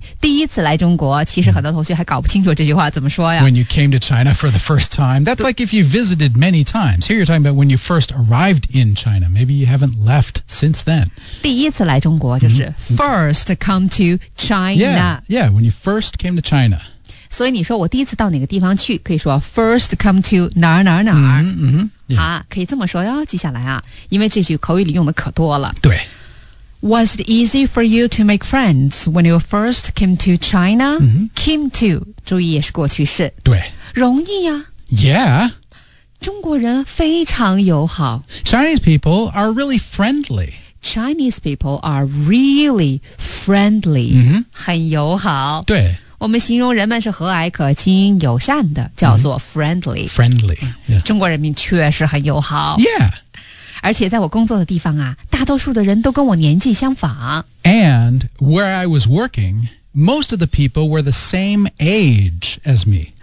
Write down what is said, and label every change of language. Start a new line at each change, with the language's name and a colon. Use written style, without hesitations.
Chinese: 第一次来中国其实很多同学还搞不清楚这句话怎么说呀
English: When you came to China for the first time That's like if you visited many times Here you're talking about when you first arrived in China Maybe you haven't left since then
Chinese: 第一次来中国就是
English: First come to China Yeah, when you first came to China
Chinese: 所以你说我第一次到哪个地方去可以说
English: First come to
Chinese: 哪儿哪儿哪儿、可以这么说哟接下来啊因为这句口语里用的可多了对
English: Was it easy for you to make friends when you first came to China?、Came to,
Chinese: 注意也是过去式。对。容易啊。
English: Yeah.
Chinese: 中国人非常友好。
English: Chinese people are really friendly. Chinese people are really friendly.、 Mm-hmm.
Chinese: 很友好。对。我们形容人们是和蔼可亲、友善的，叫做 friendly。
English: Mm-hmm. Friendly.、Yeah.
Chinese: 中国人民确实很友好。
English: Yeah.
Chinese: 而且在我工作的地方啊，大多数的人都跟我年纪相仿。
English: And where I was working, most of the people were the same age as me.